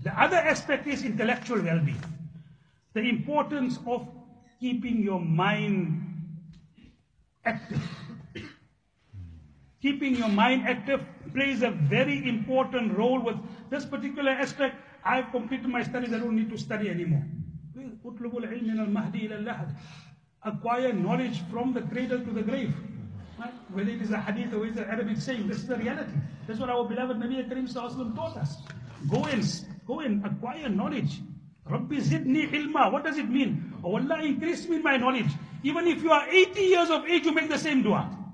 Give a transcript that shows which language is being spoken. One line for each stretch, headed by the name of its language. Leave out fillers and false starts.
English: The other aspect is intellectual well-being. The importance of keeping your mind active. Keeping your mind active plays a very important role with this particular aspect. I've completed my studies, I don't need to study anymore.
Arabic: اطلب العلم من المهدي الى اللحد.
English: Acquire knowledge from the cradle to the grave. Right? Whether it is a hadith or it is an Arabic saying, this is the reality. That's what our beloved Nabi Kareem Sallallahu Alaihi Wasallam taught us. Go and acquire knowledge.
Arabic: Rabbi zidni ilma.
English: What does it mean? Oh Allah, increase me in my knowledge. Even if you are 80 years of age, you make the same dua.